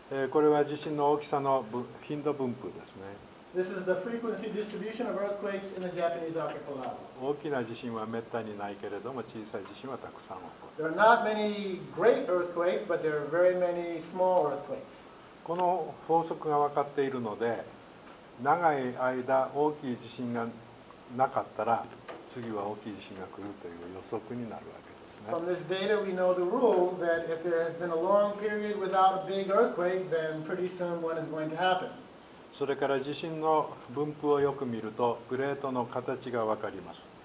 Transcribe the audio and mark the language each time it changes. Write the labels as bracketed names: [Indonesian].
[Japanese] これは地震の大きさの頻度分布ですね。 [English] This is the frequency distribution of earthquakes in the Japanese archipelago. [Japanese] 大きな地震はめったにないけれども、小さい地震はたくさん起こる。 [English] There are not many great earthquakes, but there are very many small earthquakes. [Japanese] この法則が分かっているので、長い間大きい地震がなかったら、次は大きい地震が来るという予測になるわけですね。 [English] From this data, we know the rule that if there has been a long period without a big earthquake, then pretty soon one is going to happen. [Japanese] それから地震の分布をよく見るとプレートの形が分かります。